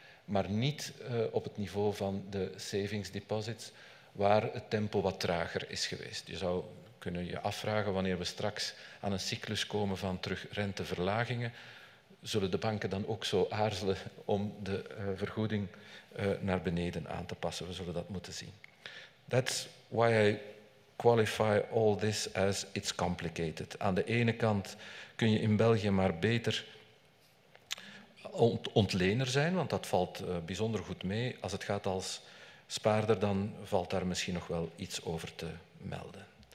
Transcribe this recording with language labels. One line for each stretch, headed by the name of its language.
Dutch: Maar niet op het niveau van de savings deposits, waar het tempo wat trager is geweest. Je zou kunnen je afvragen, wanneer we straks aan een cyclus komen van terug renteverlagingen, zullen de banken dan ook zo aarzelen om de vergoeding naar beneden aan te passen? We zullen dat moeten zien.
English: That's why I qualify all this as it's complicated.
Dutch: Aan de ene kant kun je in België maar beter ontlener zijn, want dat valt bijzonder goed mee. Als het gaat als spaarder, dan valt daar misschien nog wel iets over te melden.